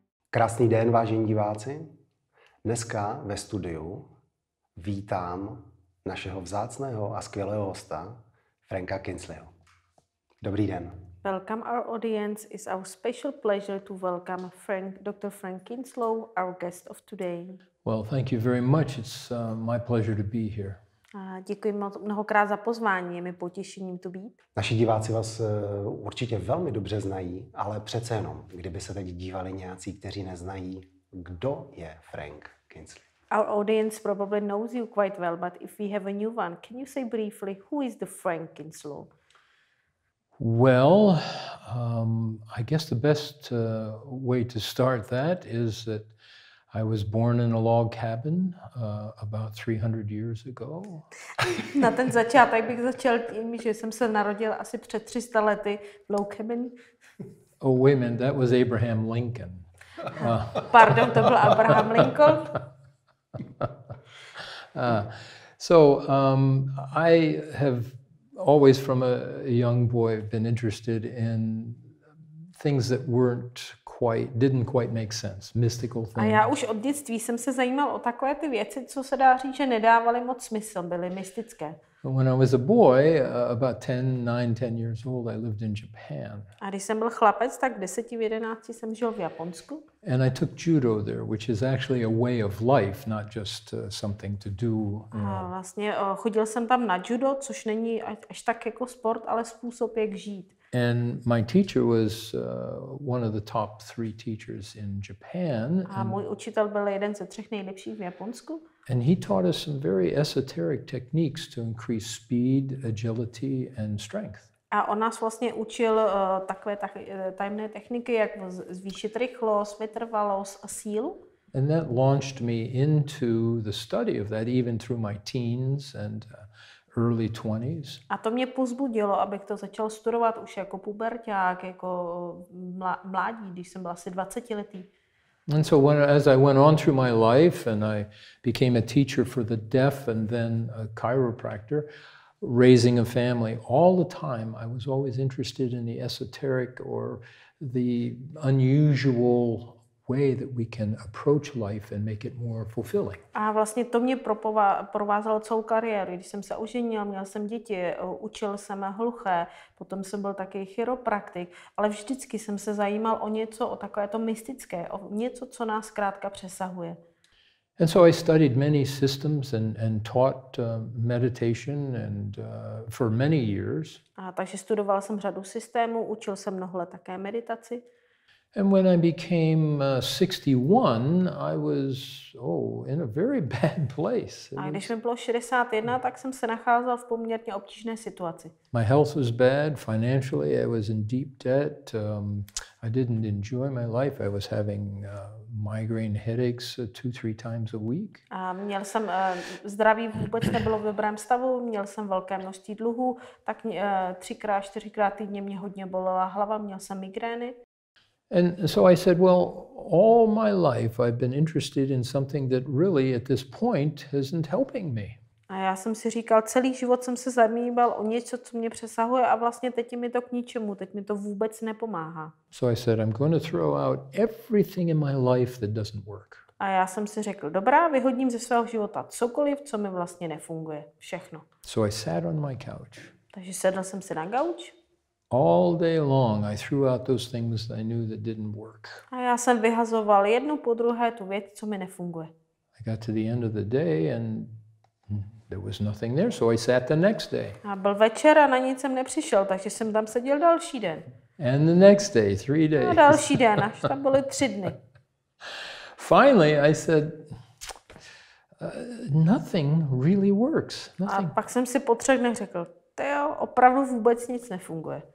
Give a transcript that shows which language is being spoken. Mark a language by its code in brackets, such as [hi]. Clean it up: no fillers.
[cs] Krásný den, vážení diváci. Dneska ve studiu vítám našeho vzácného a skvělého hosta, Franka Kinslow. Dobrý den. [en] Welcome our audience. It's our special pleasure to welcome Dr. Frank Kinslow, our guest of today. Well, thank you very much. It's my pleasure to be here. [cs] Děkuji mnohokrát za pozvání, je mi potěšením tu být. Naši diváci vás určitě velmi dobře znají, ale přece jenom, kdyby se teď dívali nějací, kteří neznají, kdo je Frank Kinslow. [en] Our audience probably knows you quite well, but if we have a new one, can you say briefly, who is the Frank Kinslow? Well, I guess the best way to start that is that I was born in a log cabin about 300 years ago. [cs] Na ten začátek bych začal tím, že jsem se narodil asi před 300 lety v [en] log cabin. Oh, wait a minute, that was Abraham Lincoln. [cs] Pardon, to byl Abraham Lincoln. [en] So I have always from a young boy been interested in things that weren't didn't quite make sense, mystical things. [cs] A já už od dětství jsem se zajímal o takové ty věci, co se dá říct, že nedávaly moc smysl, byly mystické. [en] When I was a boy, about 10 years old, I lived in Japan. [cs] A když jsem byl chlapec, tak 10-11 jsem žil v Japonsku. [en] And I took judo there, which is actually a way of life, not just something to do. [cs] A vlastně chodil jsem tam na judo, což není až tak jako sport, ale způsob, jak žít. [en] And my teacher was one of the top three teachers in Japan. [cs] A můj učitel byl jeden ze třech nejlepších v Japonsku. [en] And he taught us some very esoteric techniques to increase speed, agility and strength. [cs] A on nás vlastně učil takové tajemné techniky, jak zvýšit rychlost, vytrvalost a sílu. [en] And that launched me into the study of that even through my teens and early 20s. [cs] A to mě pozbudilo, abych to začal studovat už jako puberťák, jako mládí, když jsem byl asi 20letý. [en] And so when, as I went on through my life and I became a teacher for the deaf and then a chiropractor, raising a family, all the time I was always interested in the esoteric or the unusual way that we can approach life and make it more fulfilling. [cs] A vlastně to mě provázalo celou kariéru. Když jsem se oženil, měl jsem děti, učil jsem hluché, potom jsem byl taky chiropraktik, ale vždycky jsem se zajímal o něco, o takové to mystické, o něco, co nás zkrátka přesahuje. [en] And so I studied many systems and taught meditation and for many years. [cs] A takže studoval jsem řadu systémů, učil jsem mnoho let také meditaci. [en] And when I became 61, I was in a very bad place. [cs] A když mi bylo 61, tak jsem se nacházel v poměrně obtížné situaci. [en] My health was bad financially. I was in deep debt. I didn't enjoy my life. I was having migraine headaches 2-3 times a week. [cs] A měl jsem zdraví vůbec nebylo v dobrém stavu. Měl jsem velké množství dluhů, tak 3-4 týdně mě hodně bolela hlava, měl jsem migrény. [en] And so I said, well, all my life I've been interested in something that really at this point isn't helping me. [cs] A já jsem si říkal, celý život jsem se zajímal o něco, co mě přesahuje a vlastně teď mi to k ničemu, teď mi to vůbec nepomáhá. [en] So I said, I'm going to throw out everything in my life that doesn't work. [cs] A já jsem si řekl, dobrá, vyhodím ze svého života cokoliv, co mi vlastně nefunguje, všechno. [en] So I sat on my couch. [cs] Takže sedl jsem si na gauč. [en] All day long I threw out those things I knew that didn't work. [cs] A já jsem vyhazoval jednu po druhé tu věc, co mi nefunguje. [en] I got to the end of the day and there was nothing there, so I sat the next day. [cs] A byl večer a na nic jsem nepřišel, takže jsem tam seděl další den. [en] And the next day, 3 days. [cs] A další den, až tam byly 3 dny. [en] Finally I said, nothing really works. Nothing. [cs] A pak jsem si po třech dnech řekl, jo, opravdu vůbec nic nefunguje.